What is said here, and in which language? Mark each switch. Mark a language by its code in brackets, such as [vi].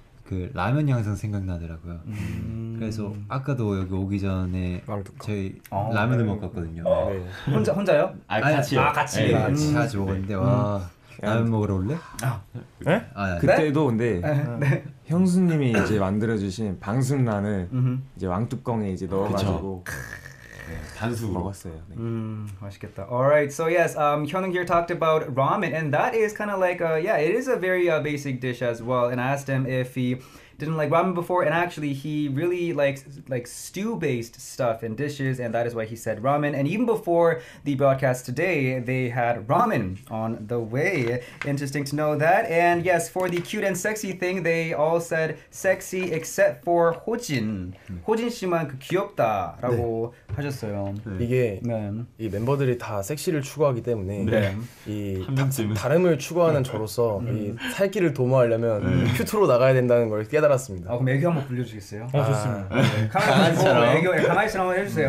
[ko] 그 라면이 항상 생각나더라고요. 그래서 아까도 여기 오기 전에 저희 라면을 먹었거든요. 네. 혼자 혼자요? 아니, 아니, 같이요. 아 같이. 네, 같이 같이 먹었는데 와 라면 먹으러 올래? 아, 네? 아 그때도 근데 네? 네. 형수님이 이제 만들어주신 방승란을 이제 왕뚜껑에 이제 넣어가지고. 단수 먹었어요. 맛있겠다. [en] Alright, so yes, Hyunung here talked about ramen, and that is kind of like, yeah, it is a very basic dish as well. And I asked him if he didn't like ramen before, and actually, he really likes like stew-based stuff and dishes, and that is why he said ramen. And even before the broadcast today, they had ramen on the way. Interesting to know that. And yes, for the cute and sexy thing, they all said sexy except for Hojin. [ko] Hojin 씨만 그 귀엽다라고 네. 하셨어요. 네. 이게 네. 이 멤버들이 다 섹시를 추구하기 때문에 네. 이 다름을 추구하는 저로서 이 살길을 도모하려면 큐트로 나가야 된다는 걸 깨달았습니다. 아, 그럼 애교 한번 불려주시겠어요? 아, 좋습니다. 강아지처럼 애교 강아지처럼 한번 해주세요.